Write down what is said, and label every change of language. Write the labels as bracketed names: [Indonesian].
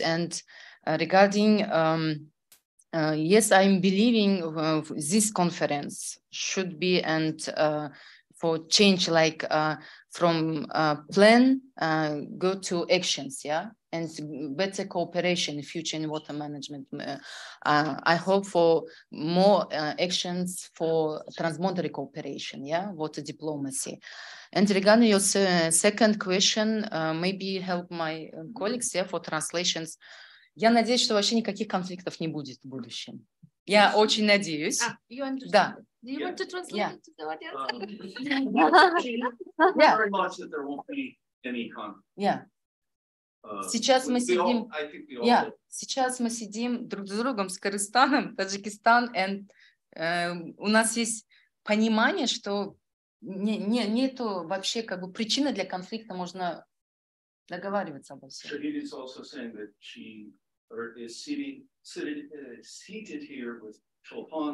[English] And regarding, yes, I'm believing this conference should be and for change, like from plan go to actions, yeah, and better cooperation in future in water management. I hope for more actions for transboundary cooperation, yeah, water diplomacy. And regarding your second question, maybe help my colleagues, yeah, for translations. [Russian] Я надеюсь, что вообще никаких конфликтов не будет в будущем. Я очень надеюсь. [English] You understand? [Russian] Да. [English] Do you want to translate it to the audience? Very much that there won't be any conflict. [Russian] Yeah. Сейчас мы сидим. Сейчас мы сидим друг с другом с Кыргызстаном, Таджикистан, [English] and [Russian] у нас есть понимание, что нету вообще как бы причины для конфликта, можно договариваться обо всем. [English] Shahid is also saying that she is seated here with Chulpan.